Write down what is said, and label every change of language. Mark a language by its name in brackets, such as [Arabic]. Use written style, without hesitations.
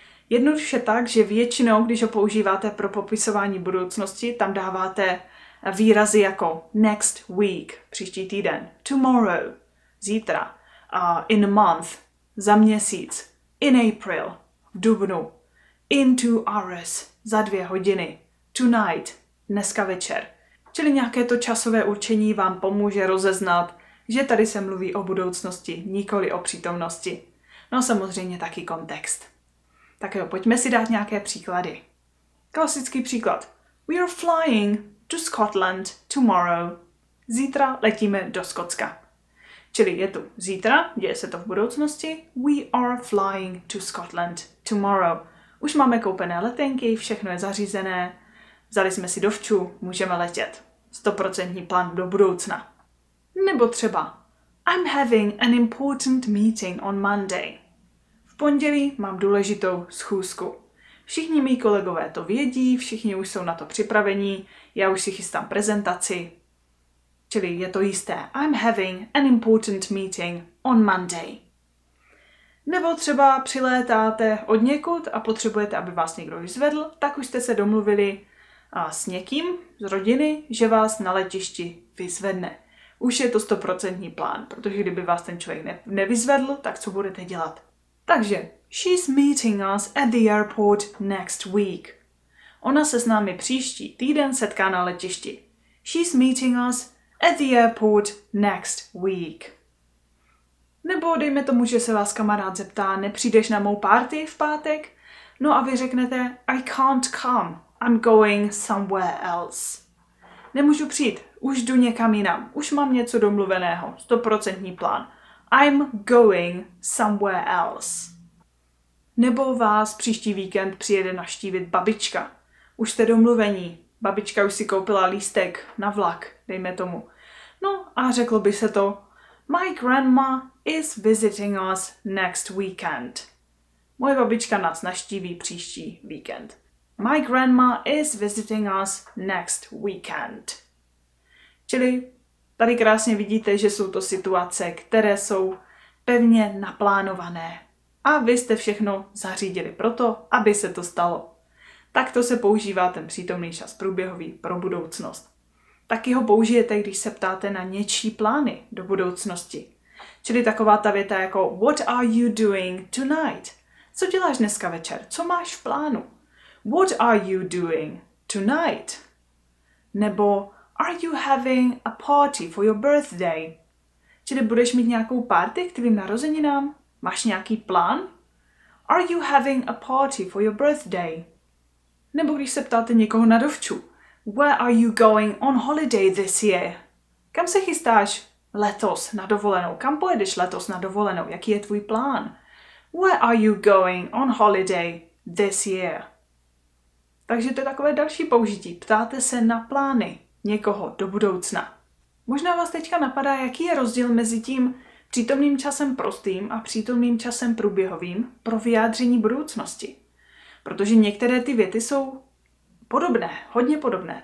[Czech] Jednoduše tak, že většinou, když ho používáte pro popisování budoucnosti, tam dáváte výrazy jako [English] next week, [Czech] příští týden, [English] tomorrow, [Czech] zítra, [English] in a month, [Czech] za měsíc, [English] in April, [Czech] v dubnu, [English] in 2 hours, [Czech] za 2 hodiny, [English] tonight, [Czech] dneska večer. Čili nějaké to časové určení vám pomůže rozeznat, že tady se mluví o budoucnosti, nikoli o přítomnosti. No samozřejmě taky kontext. Tak jo, pojďme si dát nějaké příklady. Klasický příklad. [English] We are flying to Scotland tomorrow. [Czech] Zítra letíme do Skotska. Čili je tu zítra, děje se to v budoucnosti. [English] We are flying to Scotland tomorrow. [Czech] Už máme koupené letenky, všechno je zařízené, vzali jsme si dovču, můžeme letět. 100% plán do budoucna. Nebo třeba [English] I'm having an important meeting on Monday. [Czech] V pondělí mám důležitou schůzku. Všichni mý kolegové to vědí, všichni už jsou na to připravení, já už si chystám prezentaci. Čili je to jisté. [English] I'm having an important meeting on Monday. [Czech] Nebo třeba přilétáte od někud a potřebujete, aby vás někdo vyzvedl, tak už jste se domluvili s někým z rodiny, že vás na letišti vyzvedne. Už je to 100% plán, protože kdyby vás ten člověk nevyzvedl, tak co budete dělat? Takže, [English] she's meeting us at the airport next week. [Czech] Ona se s námi příští týden setká na letišti. [English] She's meeting us at the airport next week. [Czech] Nebo dejme tomu, že se vás kamarád zeptá, nepřijdeš na mou party v pátek? No a vy řeknete, [English] I can't come, I'm going somewhere else. [Czech] Nemůžu přijít, už jdu někam jinam, už mám něco domluveného, 100% plán. [English] I'm going somewhere else. [Czech] Nebo vás příští víkend přijede navštívit babička. Už jste domluvení, babička už si koupila lístek na vlak, dejme tomu. No a řeklo by se to, [English] my grandma is visiting us next weekend. [Czech] Moje babička nás navštíví příští víkend. [English] My grandma is visiting us next weekend. [Czech] Čili tady krásně vidíte, že jsou to situace, které jsou pevně naplánované. A vy jste všechno zařídili proto, aby se to stalo. Takto se používá ten přítomný čas průběhový pro budoucnost. Taky ho použijete, když se ptáte na něčí plány do budoucnosti. Čili taková ta věta jako [English] What are you doing tonight? [Czech] Co děláš dneska večer? Co máš v plánu? [English] What are you doing tonight? [Czech] Nebo [English] Are you having a party for your birthday? [Czech] Čili budeš mít nějakou party k tvým narozeninám? Máš nějaký plán? [English] Are you having a party for your birthday? [Czech] Nebo když se ptáte někoho na dovču. [English] Where are you going on holiday this year? [Czech] Kam se chystáš letos na dovolenou? Kam pojedeš letos na dovolenou? Jaký je tvůj plán? [English] Where are you going on holiday this year? [Czech] Takže to je takové další použití. Ptáte se na plány někoho do budoucna. Možná vás teďka napadá, jaký je rozdíl mezi tím přítomným časem prostým a přítomným časem průběhovým pro vyjádření budoucnosti. Protože některé ty věty jsou podobné, hodně podobné.